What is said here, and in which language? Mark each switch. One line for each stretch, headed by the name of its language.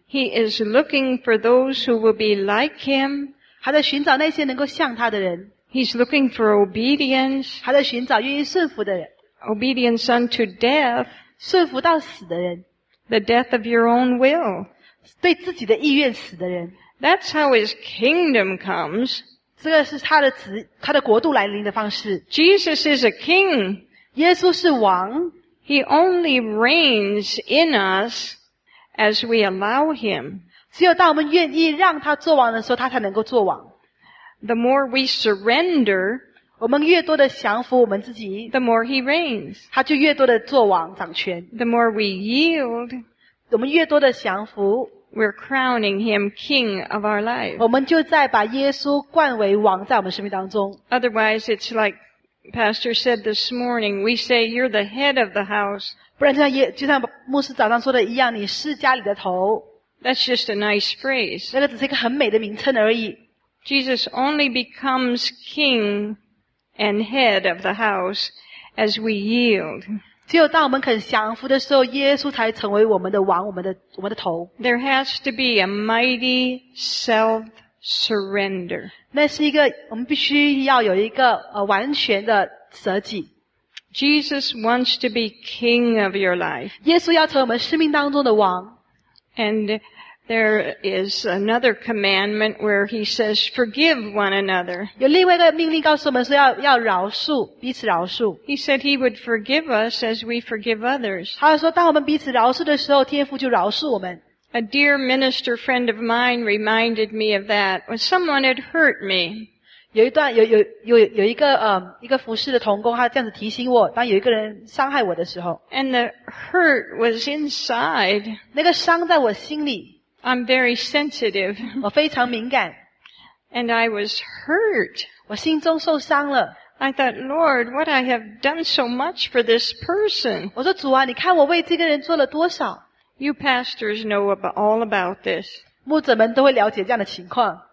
English: He is looking for those who will be like him.
Chinese: 他在寻找那些能够像他的人。
English: He's looking for obedience.
Chinese: 他在寻找愿意顺服的人。
English: Obedience unto death.
Chinese: 顺服到死的人。
English: The death of your own will.
Chinese: 对自己的意愿死的人。
English: That's how his kingdom comes.
Chinese: 这个是他的国度来临的方式。
English: Jesus is a king.
Chinese: 耶稣是王。
English: He only reigns in us as we allow him.
Chinese: 只有当我们愿意让他做王的时候，他才能够做王。
English: The more we surrender,
Chinese: 我们越多的降服我们自己
English: ，the more he reigns，
Chinese: 他就越多的做王掌权
English: ；the more we yield，
Chinese: 我们越多的降服
English: ，we're crowning him king of our life，
Chinese: 我们就在把耶稣冠为王在我们生命当中。
English: Otherwise, it's like Pastor said this morning. We say you're the head of the house，
Chinese: 不然就像牧师早上说的一样，你是家里的头。
English: That's just a nice phrase，
Chinese: 那个只是一个很美的名称而已。
English: Jesus only becomes king。 And head of the house, as we yield.
Chinese: 只有当我们肯降服的时候，耶稣才成为我们的王，我们的头。
English: There has to be a mighty self-surrender.
Chinese: 那是一个我们必须要有一个完全的舍己。
English: Jesus wants to be king of your life.
Chinese: 耶稣要成为我们生命当中的王。
English: And there is another commandment where he says, "Forgive one another."
Chinese: 有另外一个命令告诉我们说要饶恕彼此饶恕。
English: He said he would forgive us as we forgive others.
Chinese: 他说当我们彼此饶恕的时候，天父就饶恕我们。
English: A dear minister friend of mine reminded me of that when someone had hurt me.
Chinese: 有一个服侍的同工，他这样子提醒我，当有一个人伤害我的时候。
English: And the hurt was inside.
Chinese: 那个伤在我心里。
English: I'm very sensitive.
Chinese: 我非常敏感。
English: And I was hurt.
Chinese: 我心中受伤了。
English: I thought, Lord, what I have done so much for this person.
Chinese: 我说主啊，你看我为这个人做了多少。
English: You pastors know all about this.
Chinese: 牧者们都会了解这样的情况。